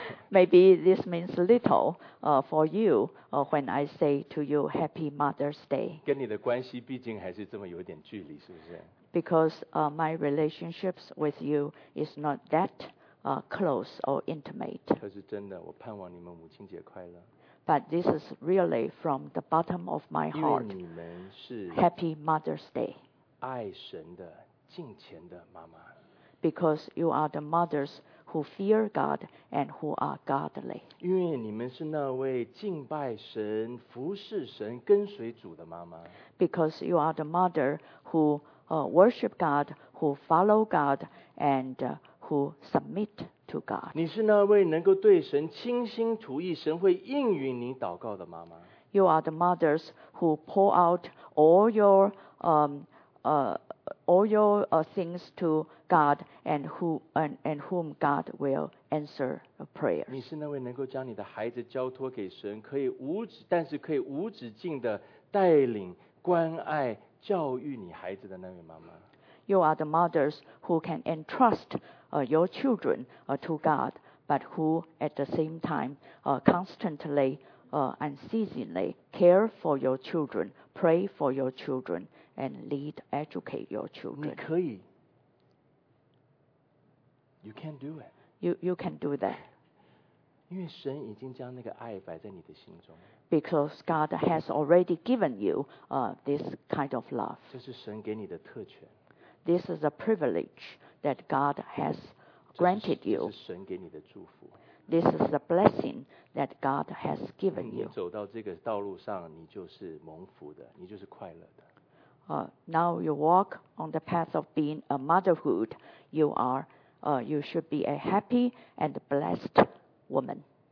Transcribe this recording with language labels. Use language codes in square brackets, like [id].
[en] Maybe this means little for you when I say to you Happy Mother's Day. [zh] 跟你的关系毕竟还是这么有点距离，是不是？ [en] Because my relationships with you is not that close or intimate. [zh] 可是真的，我盼望你们母亲节快乐。 [en] But this is really from the bottom of my heart. [zh] 因为你们是 [en] Happy Mother's Day. [zh] 爱神的。敬虔的妈妈。 [en] Because you are the mothers who fear God and who are godly. [zh] 因为你们是那位敬拜神、服侍神、跟随主的妈妈。 [en] Because you are the mother who worship God, who follow God, and who submit to God. [zh] 你是那位能够对神倾心吐意、神会应允你祷告的妈妈。 [en] You are the mothers who pour out all your things to God and whom God will answer a prayer. [zh] 你是那位能够将你的孩子交托给神，可以无止，但是可以无止境的带领、关爱、教育你孩子的那位妈妈。 [en] You are the mothers who can entrust your children to God, but who at the same time constantly unceasingly care for your children, pray for your children. And lead, educate your children. [zh] 你可以。 [en] You can do it. You can do that. [zh] 因为神已经将那个爱摆在你的心中。 [en] Because God has already given you this kind of love. [zh] 这是神给你的特权。 [en] This is a privilege that God has granted you. [zh] 这是神给你的祝福。 [en] This is a blessing that God has given you. [zh] 你走到这个道路上，你就是蒙福的，你就是快乐的。 [en] Now you walk on the path of being a motherhood, you should be a happy and blessed woman.